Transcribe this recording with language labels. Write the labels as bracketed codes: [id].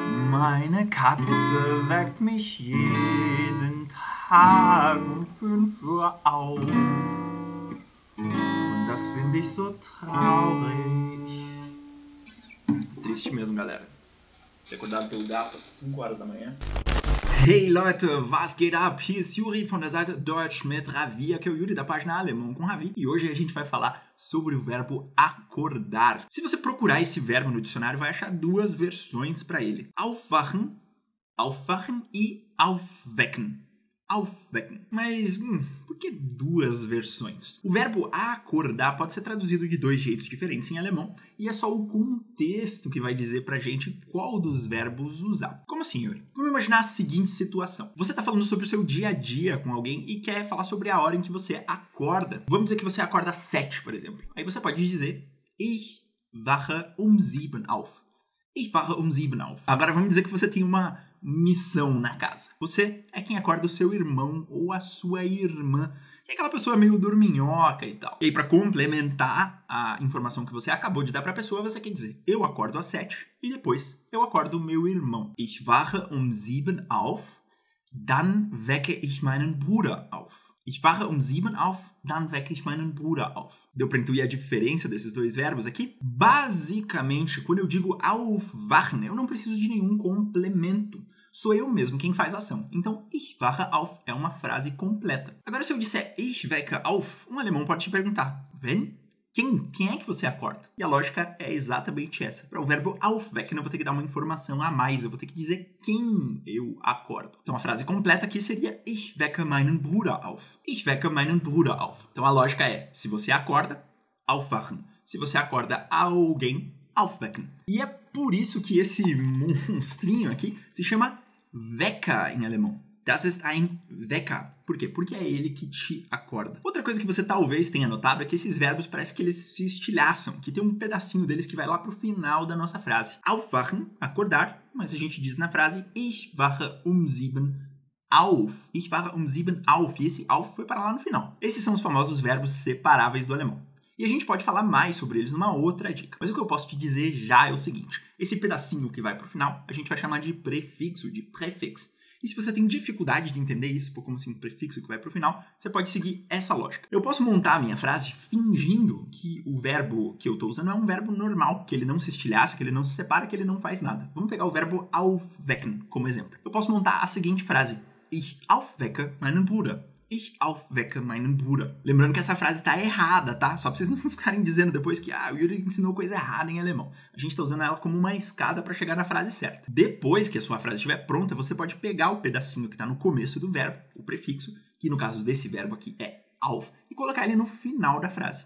[de] Meine Katze weckt mich jeden Tag um 5 Uhr auf. Und das finde ich so traurig. [pt] Triste mesmo, galera. Ser acordado pelo gato às 5 horas da manhã. [de] Hey Leute, was geht ab? Hier ist Yuri von der Seite Deutsch mit Ravi, [pt] aqui é o Yuri da página Alemão com Ravi. E hoje a gente vai falar sobre o verbo acordar. Se você procurar esse verbo no dicionário, vai achar duas versões para ele. [de] Aufwachen, aufwachen e aufwecken. Aufwecken. [pt] Mas, por que duas versões? O verbo acordar pode ser traduzido de dois jeitos diferentes em alemão e é só o contexto que vai dizer pra gente qual dos verbos usar. Como assim, Yuri? Vamos imaginar a seguinte situação. Você tá falando sobre o seu dia a dia com alguém e quer falar sobre a hora em que você acorda. Vamos dizer que você acorda às 7, por exemplo. Aí você pode dizer [de] Ich wache um 7 auf. Ich wache um 7 auf. [pt] Agora vamos dizer que você tem uma missão na casa. Você é quem acorda o seu irmão ou a sua irmã, que é aquela pessoa meio dorminhoca e tal. E aí, pra complementar a informação que você acabou de dar pra pessoa, você quer dizer, eu acordo às 7 e depois eu acordo o meu irmão. [de] Ich wache um 7 auf, dann wecke ich meinen Bruder auf. Ich wache um 7 auf, dann wecke ich meinen Bruder auf. [pt] Deu pra intuir a diferença desses dois verbos aqui? Basicamente, quando eu digo aufwachen, eu não preciso de nenhum complemento. Sou eu mesmo quem faz a ação. Então, [de] ich wache auf [pt] é uma frase completa. Agora, se eu disser [de] ich wecke auf, [pt] um alemão pode te perguntar, [de] wenn? [pt] Quem é que você acorda? E a lógica é exatamente essa. Para o verbo aufwecken, eu vou ter que dar uma informação a mais. Eu vou ter que dizer quem eu acordo. Então, a frase completa aqui seria [de] Ich wecke meinen Bruder auf. Ich wecke meinen Bruder auf. [pt] Então, a lógica é, se você acorda, aufwachen. Se você acorda alguém, aufwecken. E é por isso que esse monstrinho aqui se chama Wecker em alemão. [de] Das ist ein Wecker. [pt] Por quê? Porque é ele que te acorda. Outra coisa que você talvez tenha notado é que esses verbos parece que eles se estilhaçam, que tem um pedacinho deles que vai lá pro final da nossa frase. Aufwachen, acordar, mas a gente diz na frase [de] Ich wache um 7 auf. Ich wache um 7 auf. [pt] E esse auf foi para lá no final. Esses são os famosos verbos separáveis do alemão. E a gente pode falar mais sobre eles numa outra dica. Mas o que eu posso te dizer já é o seguinte. Esse pedacinho que vai pro final, a gente vai chamar de prefixo, de prefix. E se você tem dificuldade de entender isso, como assim, prefixo que vai pro final, você pode seguir essa lógica. Eu posso montar a minha frase fingindo que o verbo que eu tô usando é um verbo normal, que ele não se estilhaça, que ele não se separa, que ele não faz nada. Vamos pegar o verbo aufwecken como exemplo. Eu posso montar a seguinte frase. [de] Ich aufwecke meinen Bruder. Ich aufwecke meinen Bruder. [pt] Lembrando que essa frase tá errada, tá? Só pra vocês não ficarem dizendo depois que o Yuri ensinou coisa errada em alemão. A gente tá usando ela como uma escada pra chegar na frase certa. Depois que a sua frase estiver pronta, você pode pegar o pedacinho que tá no começo do verbo, o prefixo, que no caso desse verbo aqui é auf, e colocar ele no final da frase.